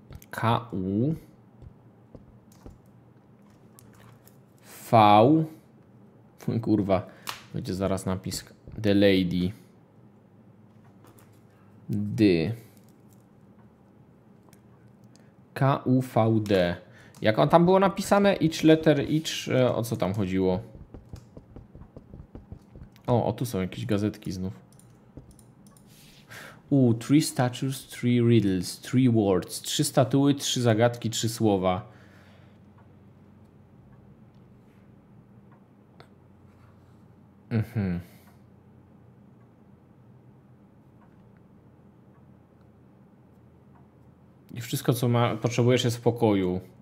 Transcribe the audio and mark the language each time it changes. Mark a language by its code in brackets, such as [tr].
[pl] K-U V kurwa, będzie zaraz napis The Lady D K-U-V-D. Jak on tam było napisane? [en] Each letter, each... [pl] O co tam chodziło? O, o tu są jakieś gazetki znów. [en] Three statues, three riddles, three words. [pl] Trzy statuły, trzy zagadki, trzy słowa. Mhm. I wszystko, co ma, potrzebujesz, jest w pokoju.